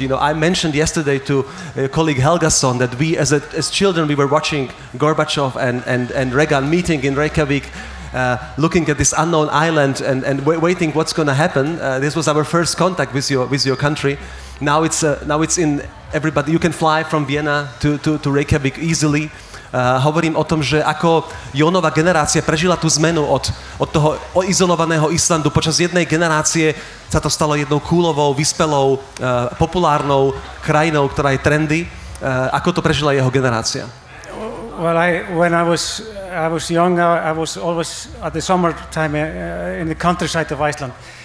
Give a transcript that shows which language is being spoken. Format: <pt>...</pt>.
<en>You know, I mentioned yesterday to colleague Helgason that we, as children, we were watching Gorbachev and Reagan meeting in Reykjavik, looking at this unknown island and waiting what's going to happen. This was our first contact with your country. Now it's in everybody. You can fly from Vienna to Reykjavik easily.</en> <sk>Hovorím o tom, že ako Jónova generácia prežila tú zmenu od toho izolovaného Islandu. Počas jednej generácie sa to stalo jednou coolovou, vyspelou, populárnou krajinou, ktorá je trendy. Ako to prežila jeho generácia?</sk> <en>Well, when I was young, I was always at the summer time in the countryside of Iceland.</en>